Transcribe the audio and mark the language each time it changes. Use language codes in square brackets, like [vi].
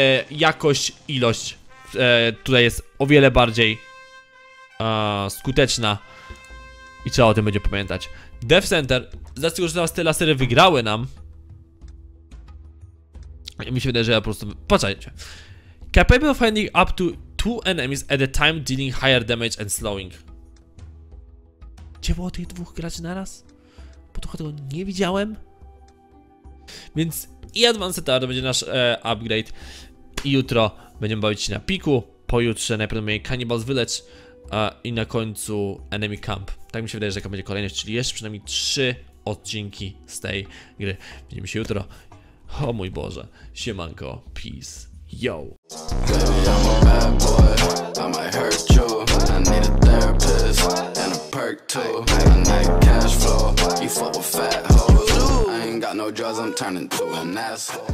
[pl] Jakość, ilość tutaj jest o wiele bardziej skuteczna i trzeba o tym będzie pamiętać. Dev Center, z racji, że teraz te lasery wygrały nam, mi się wydaje, że ja po prostu... Poczekajcie. [en] Capable of finding up to 2 enemies at a time, dealing higher damage and slowing. [pl] ciepło o tych dwóch graczy naraz? Bo trochę tego nie widziałem. Więc i Advanced AR to będzie nasz upgrade. I jutro będziemy bawić się na piku. Pojutrze najprawdopodobniej Cannibals Village. I na końcu Enemy Camp. Tak mi się wydaje, że jaka będzie kolejność, czyli jeszcze przynajmniej 3 odcinki z tej gry. Widzimy się jutro. O mój Boże, siemanko, [en] peace, yo. Baby, I'm a bad boy, I might hurt you. I need a therapist and a perk too. I need cash flow, you fuck with fat hoes. I ain't got no drugs, I'm turning to an asshole.